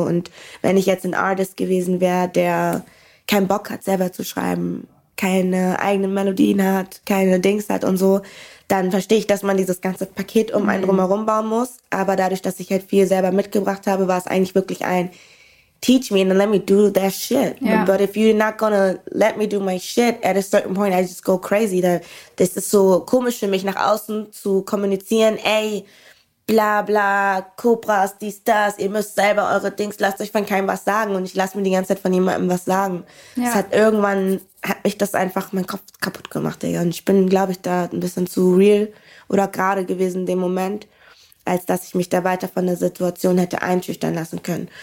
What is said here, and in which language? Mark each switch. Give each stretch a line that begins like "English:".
German: Und wenn ich jetzt ein Artist gewesen wäre, der keinen Bock hat, selber zu schreiben, keine eigenen Melodien hat, keine Dings hat und so, dann verstehe ich, dass man dieses ganze Paket um einen drumherum bauen muss. Aber dadurch, dass ich halt viel selber mitgebracht habe, war es eigentlich wirklich ein
English: teach me and then let me do that shit. Yeah. But if you're not gonna let me do my shit, at a certain point I just go crazy.
German: Das ist so komisch für mich, nach außen zu kommunizieren, ey, bla bla, Cobras, dies, das, ihr müsst selber eure Dings, lasst euch von keinem was sagen, und ich lasse mir die ganze Zeit von jemandem was sagen.
English: Yeah.
German: Hat mich das einfach meinen Kopf kaputt gemacht, ey. Und ich bin, glaube ich, da ein bisschen zu real oder gerade gewesen in dem Moment, als dass ich mich da weiter von der Situation hätte einschüchtern lassen können.